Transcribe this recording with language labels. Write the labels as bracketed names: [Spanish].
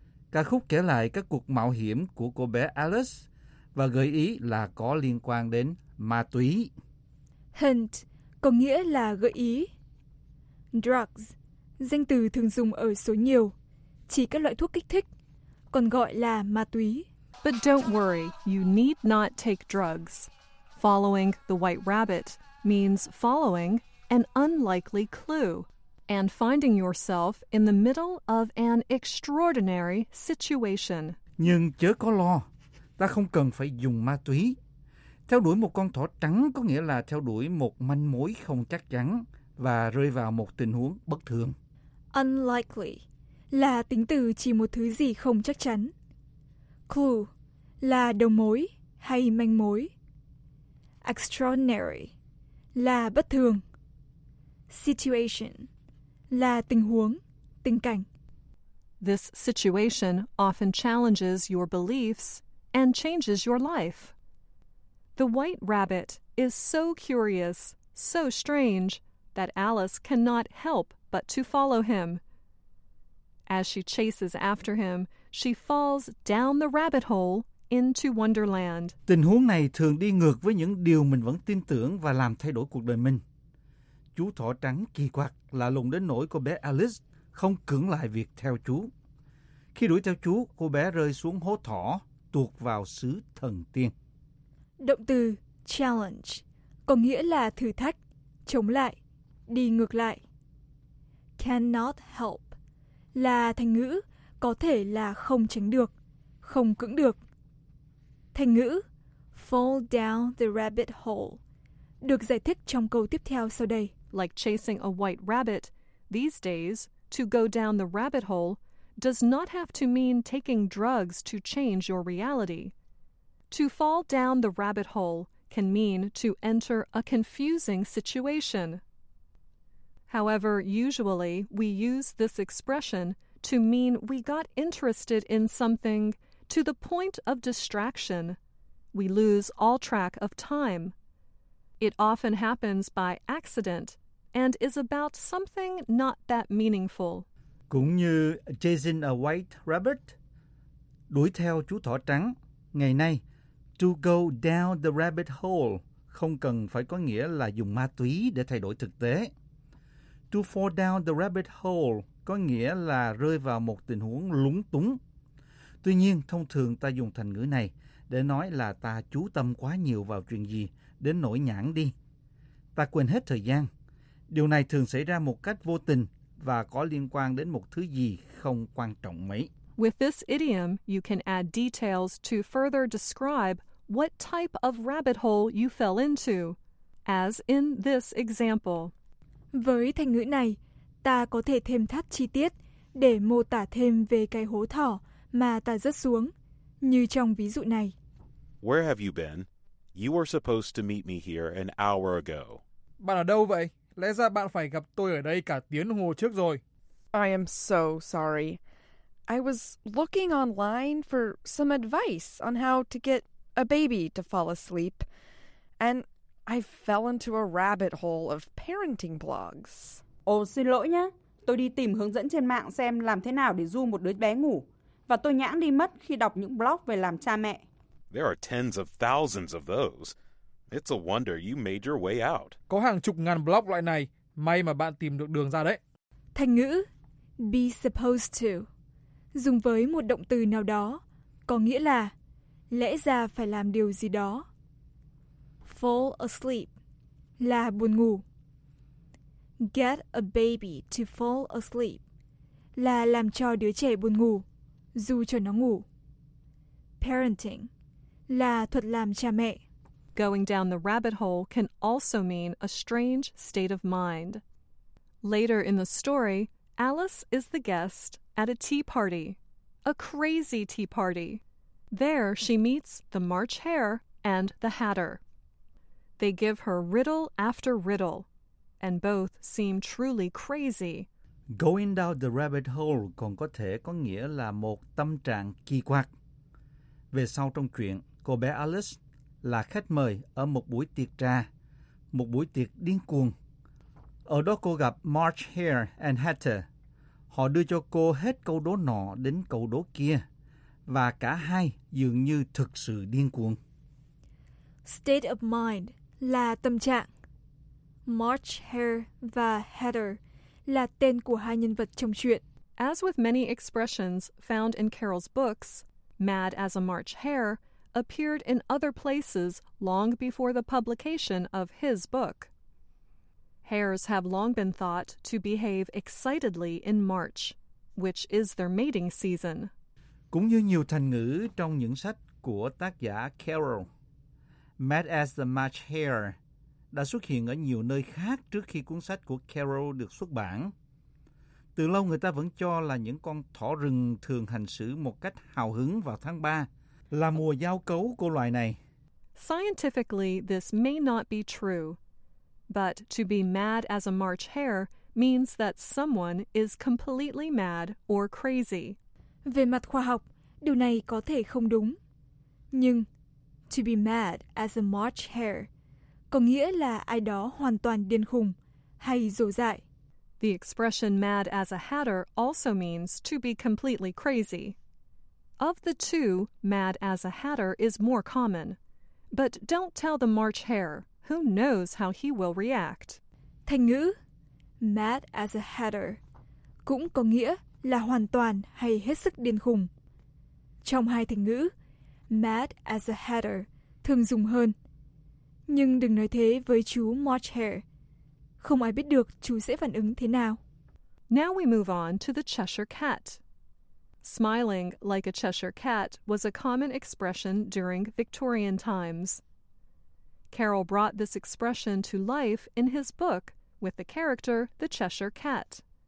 [Vietnamese] Ca khúc kể lại các cuộc mạo hiểm của cô bé Alice và gợi ý là có liên quan đến ma túy. Hint có nghĩa là gợi ý. Drugs, danh từ thường dùng ở số nhiều, chỉ các loại thuốc kích thích, còn gọi là ma túy. [English] But don't worry, you need not take drugs. Following the white rabbit means following an unlikely clue and finding yourself in the middle of an extraordinary situation. [Vietnamese] Nhưng chớ có lo, ta không cần phải dùng ma túy. Theo đuổi một con thỏ trắng có nghĩa là theo đuổi một manh mối không chắc chắn và rơi vào một tình huống bất thường. Unlikely là tính từ chỉ một thứ gì không chắc chắn. Clue là đầu mối hay manh mối. Extraordinary là bất thường. Situation là tình huống, tình cảnh. [English] This situation often challenges your beliefs and changes your life. The white rabbit is so curious, so strange, that Alice cannot help but to follow him. As she chases after him, she falls down the rabbit hole into Wonderland. [Vietnamese] Tình huống này thường đi ngược với những điều mình vẫn tin tưởng và làm thay đổi cuộc đời mình. Chú thỏ trắng kỳ quặc lạ lùng đến nỗi cô bé Alice không cưỡng lại việc theo chú. Khi đuổi theo chú, cô bé rơi xuống hố thỏ, tuột vào xứ thần tiên. Động từ challenge có nghĩa là thử thách, chống lại, đi ngược lại. [English] Cannot help [Vietnamese] là thành ngữ có thể là không tránh được, không cưỡng được. Thành ngữ [English] fall down the rabbit hole [Vietnamese] được giải thích trong câu tiếp theo sau đây. [English] Like chasing a white rabbit, these days to go down the rabbit hole does not have to mean taking drugs to change your reality. To fall down the rabbit hole can mean to enter a confusing situation. However, usually we use this expression to mean we got interested in something to the point of distraction. We lose all track of time. It often happens by accident and is about something not that meaningful. [Vietnamese] Cũng như [English] chasing a white rabbit, [Vietnamese] đuổi theo chú thỏ trắng, ngày nay, [English] to go down the rabbit hole [Vietnamese] không cần phải có nghĩa là dùng ma túy để thay đổi thực tế. [English] To fall down the rabbit hole [Vietnamese] có nghĩa là rơi vào một tình huống lúng túng. Tuy nhiên, thông thường ta dùng thành ngữ này để nói là ta chú tâm quá nhiều vào chuyện gì, đến nỗi nhãn đi. Ta quên hết thời gian. Điều này thường xảy ra một cách vô tình và có liên quan đến một thứ gì không quan trọng mấy. [English] With this idiom, you can add details to further describe what type of rabbit hole you fell into, as in this example. [Vietnamese] Với thành ngữ này, ta có thể thêm thắt chi tiết để mô tả thêm về cái hố thỏ mà ta rớt xuống, như trong ví dụ này. [English] Where have you been? You were supposed to meet me here an hour ago. [Vietnamese] Bạn ở đâu vậy? Lẽ ra bạn phải gặp tôi ở đây cả tiếng hồ trước rồi. [English] I am so sorry. I was looking online for some advice on how to get a baby to fall asleep, and I fell into a rabbit hole of parenting blogs. [Vietnamese] Xin lỗi nhé. Tôi đi tìm hướng dẫn trên mạng xem làm thế nào để ru một đứa bé ngủ, và tôi nhãng đi mất khi đọc những blog về làm cha mẹ. [English] There are tens of thousands of those. It's a wonder you made your way out. [Vietnamese] Có hàng chục ngàn blog loại này, may mà bạn tìm được đường ra đấy. Thành ngữ [English] be supposed to [Vietnamese] dùng với một động từ nào đó, có nghĩa là lẽ ra phải làm điều gì đó. [English] Fall asleep [Vietnamese] là buồn ngủ. [English] Get a baby to fall asleep [Vietnamese] là làm cho đứa trẻ buồn ngủ, dù cho nó ngủ. Parenting là thuật làm cha mẹ. [English] going down the rabbit hole can also mean a strange state of mind. Later in the story, Alice is the guest at a tea party, a crazy tea party. There she meets the March Hare and the Hatter. They give her riddle after riddle, and both seem truly crazy. Going down the rabbit hole [Vietnamese] còn có thể có nghĩa là một tâm trạng kỳ quặc. Về sau trong truyện, cô bé Alice là khách mời ở một buổi tiệc trà, một buổi tiệc điên cuồng. Ở đó cô gặp March Hare and Hatter. Họ đưa cho cô hết câu đố nọ đến câu đố kia, và cả hai dường như thực sự điên cuồng. [English] State of mind [Vietnamese] là tâm trạng. March Hare và Hatter là tên của hai nhân vật trong truyện. [English] As with many expressions found in Carol's books, mad as a March Hare appeared in other places long before the publication of his book. Hares have long been thought to behave excitedly in March, which is their mating season. [Vietnamese] Cũng như nhiều thành ngữ trong những sách của tác giả Carol, [English] mad as the March Hare [Vietnamese] đã xuất hiện ở nhiều nơi khác trước khi cuốn sách của Carol được xuất bản. Từ lâu người ta vẫn cho là những con thỏ rừng thường hành xử một cách hào hứng vào tháng 3, là mùa giao cấu của loài này. [English] Scientifically, this may not be true. But to be mad as a March Hare means that someone is completely mad or crazy. [Vietnamese] Về mặt khoa học, điều này có thể không đúng. Nhưng [English] to be mad as a March Hare [Vietnamese] có nghĩa là ai đó hoàn toàn điên khùng hay dồ dại. [English] The expression mad as a hatter also means to be completely crazy. Of the two, mad as a hatter is more common. But don't tell the March Hare. Who knows how he will react? [Vietnamese] Thành ngữ [English] mad as a hatter [Vietnamese] cũng có nghĩa là hoàn toàn hay hết sức điên khùng. Trong hai thành ngữ, [English] mad as a hatter [Vietnamese] thường dùng hơn. Nhưng đừng nói thế với chú March Hare. Không ai biết được chú sẽ phản ứng thế nào. [English] Now we move on to the Cheshire Cat. Smiling like a Cheshire Cat was a common expression during Victorian times. Carol brought this expression to life in his book with the character the Cheshire Cat.